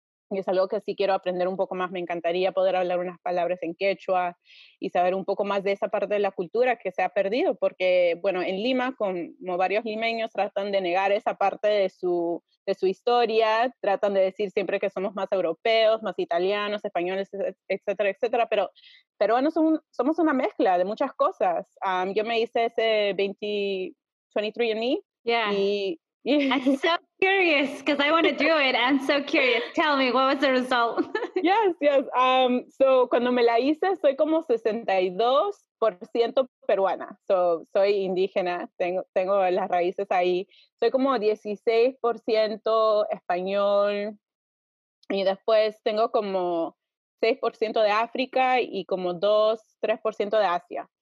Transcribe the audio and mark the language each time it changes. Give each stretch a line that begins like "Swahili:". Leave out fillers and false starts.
Spanish: Y es algo que sí quiero aprender un poco más, me encantaría poder hablar unas palabras en quechua y saber un poco más de esa parte de la cultura que se ha perdido, porque bueno, en Lima, como varios limeños tratan de negar esa parte de su historia, tratan de decir siempre que somos más europeos, más italianos, españoles, etcétera, etcétera, pero peruanos somos una mezcla de muchas cosas. Yo me hice ese 23andMe.
English: Yeah. Yeah. I'm so curious because I want to do it. I'm so curious. Tell me, what was the result? Yes.
Spanish: So, cuando me la hice, soy como 62% peruana. So, soy indígena. Tengo las raíces ahí. Soy como 16% español. Y después tengo como 6% de África y como 2-3% de Asia.